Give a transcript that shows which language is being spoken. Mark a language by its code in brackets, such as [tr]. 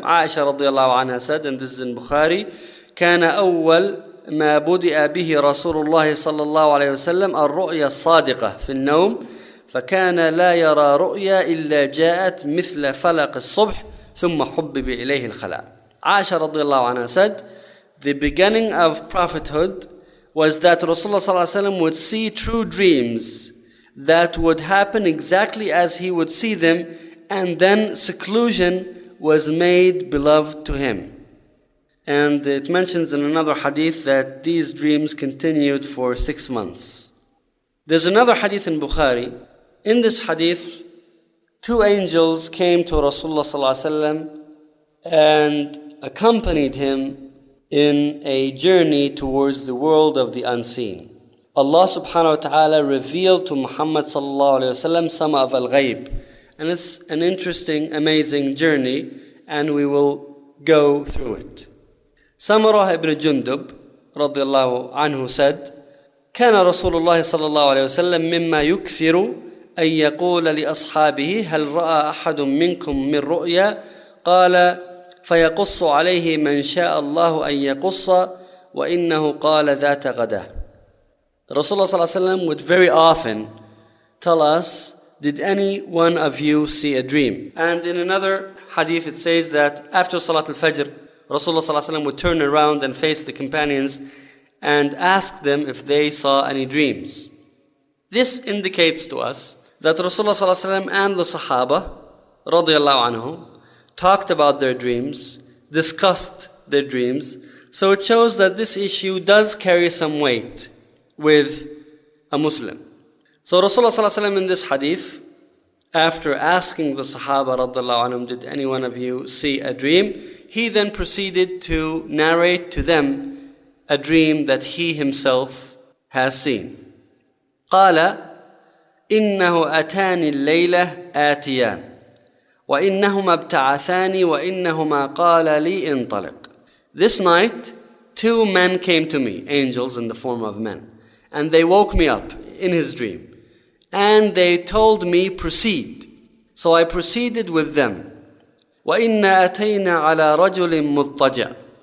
[ar] Aisha radiallahu anha said, [en] and this is in Bukhari, [ar] كان أول ما بدأ به رسول الله صلى الله عليه وسلم الرؤيا الصادقة في النوم فكان لا يرى رؤيا إلا جاءت مثل فلق الصبح ثم حبب إليه الخلاء. [en] عائشة رضي الله عنها said, the beginning of prophethood was that Rasulullah صلى الله عليه وسلم would see true dreams that would happen exactly as he would see them, and then seclusion was made beloved to him. And it mentions in another hadith that these dreams continued for 6 months. There's another hadith in Bukhari. In this hadith, two angels came to Rasulullah sallallahu alaihi wasallam and accompanied him in a journey towards the world of the unseen. Allah subhanahu wa ta'ala revealed to Muhammad sallallahu alaihi wasallam some of al-ghayb. And it's an interesting, amazing journey, and we will go through it. [ar] Samurah ibn Jundub radiyallahu anhu said, كان رسول الله صلى الله عليه وسلم مما يكثر أن يقول لأصحابه هل رأى أحد منكم من رؤيا قال فيقص عليه من شاء الله أن يقص وإنه قال ذات غدا. [en] Rasulullah صلى الله عليه وسلم would very often tell us, did any one of you see a dream? And in another hadith it says that after Salat al-Fajr, Rasulullah صلى الله عليه وسلم would turn around and face the companions and ask them if they saw any dreams. This indicates to us that Rasulullah صلى الله عليه وسلم and the Sahaba رضي الله عنهم talked about their dreams, discussed their dreams. So it shows that this issue does carry some weight with a Muslim. So Rasulullah صلى الله عليه وسلم in this hadith, after asking the Sahaba رضي الله عنهم, did any one of you see a dream? He then proceeded to narrate to them a dream that he himself has seen. [ar] قال إنه أتاني الليلة آتيان وإنهما ابتعثاني وإنهما قال لي انطلق. [en] This night, two men came to me, angels in the form of men, and they woke me up in his dream, and they told me, proceed. So I proceeded with them. [ar] وَإِنَّا أَتَيْنَا عَلَىٰ رَجُلٍ مُضْطَجَعٍ.